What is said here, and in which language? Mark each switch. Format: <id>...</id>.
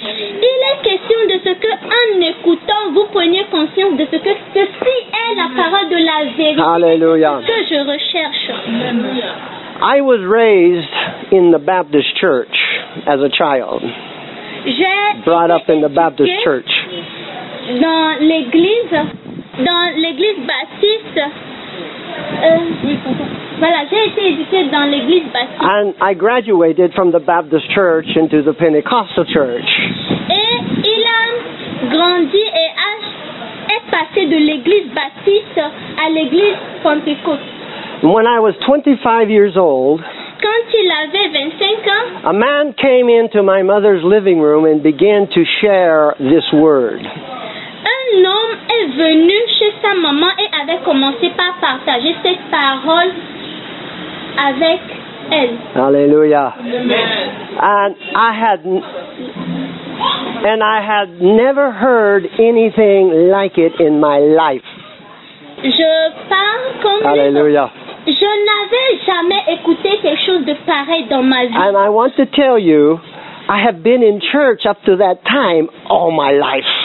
<fr>Il est question de ce que en écoutant vous preniez conscience de ce que ceci est la parole de la vérité. Hallelujah. Que je recherche.</fr> <en>I was raised in the Baptist church as a child.</en> <fr>J'ai</fr> <en>brought up in the Baptist church.</en> <fr>Dans l'église baptiste. Voilà, j'ai été éduqué dans l'église baptiste.</fr> <en>And I graduated from the Baptist church into the Pentecostal church.</en> <fr>Et il a grandi et est passé de l'église baptiste à l'église pentecôte.</fr> <en>When I was 25 years old,</en> <fr>quand il avait 25 ans,</fr> <en>a man came into my mother's living room and began to share this word.</en> <fr>Un homme est venu chez sa maman et avait commencé par partager cette parole avec elle. Alléluia. Amen.</fr> <en>And I had never heard anything like it in my life.</en> <fr>Je parle comme lui. Alléluia. Je n'avais jamais écouté quelque chose de pareil dans ma vie.</fr> <en>And I want to tell you, I have been in church up to that time all my life.</en>